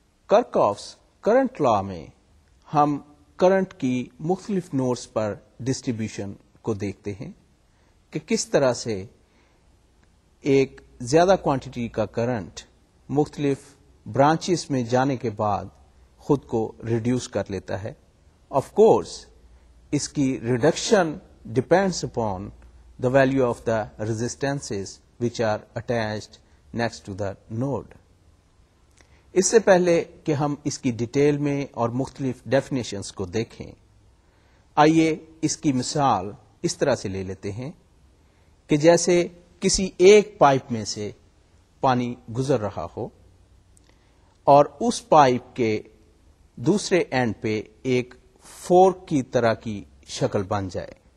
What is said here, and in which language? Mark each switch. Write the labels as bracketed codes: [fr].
[ur] کرکوفز current لا میں ہم current کی مختلف نوڈز پر ڈسٹریبیوشن کو دیکھتے ہیں کہ کس طرح سے ایک زیادہ کوانٹیٹی کا کرنٹ مختلف برانچز میں جانے کے بعد خود کو ریڈیوس کر لیتا ہے. [en] of course [ur] اس کی [en] Reduction depends upon the value of the resistances which are attached next to the node. [ur] اس سے پہلے کہ ہم اس کی ڈیٹیل میں اور مختلف ڈیفینیشنز کو دیکھیں, آئیے اس کی مثال اس طرح سے لے لیتے ہیں کہ جیسے کسی ایک پائپ میں سے پانی گزر رہا ہو اور اس پائپ کے دوسرے اینڈ پہ ایک فورک کی طرح کی شکل بن جائے.